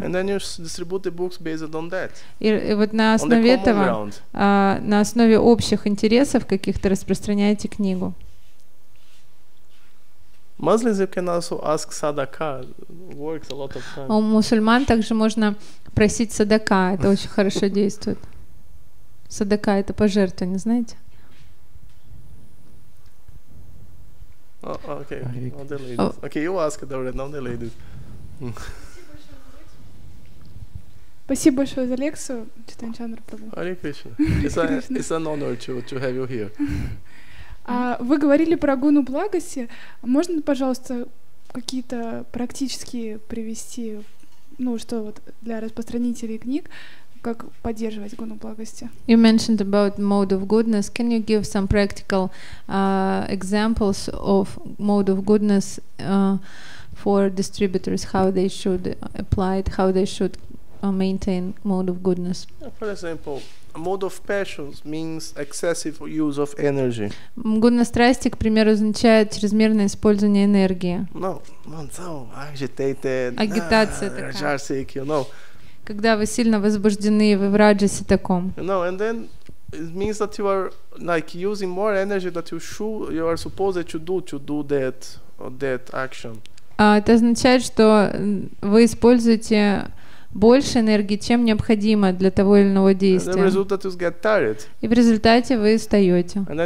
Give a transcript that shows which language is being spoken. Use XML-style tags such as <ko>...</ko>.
<en>And then you distribute the books based on that.</en> <ru>И вот на основе этого, на основе общих интересов каких-то распространяете книгу.</ru> <en>Muslims you can also ask sadaka. Works a lot of times.</en> <ru>У мусульман также можно просить садака. Это очень хорошо действует. Садака это пожертвование, знаете?</ru> <en>Oh, okay. Oh, the ladies. Okay, you ask it already, the ladies.</en> <ru>Спасибо большое за лекцию, Читанчандр</ru> <en>Прабху. Hare Krishna. It's an honor to have you here.</en> <ru>Вы говорили про гуну благости. Можно, пожалуйста, какие-то практические привести, ну, что вот для распространителей книг, как поддерживать гуну благости.</ru> <en>You mentioned about mode of goodness. Can you give some practical examples of mode of goodness for distributors, how they should apply it, how they should maintain mode of goodness? For example, a mode of passions means excessive use of energy.</en> <ru>Мгуна страсти, к примеру, означает чрезмерное использование энергии.</ru> <en>No, man, so agitated.</en> <ru>Агитация такая.</ru> <en>Раджасики, you know.</en> <ru>Когда вы сильно возбуждены, вы в раджасе таком.</ru> <en>No, and then it means that you are like using more energy that you should, you are supposed to do that that action.</en> <ru>Это означает, что вы используете больше энергии, чем необходимо для того или иного действия. И в результате вы устаете.</ru>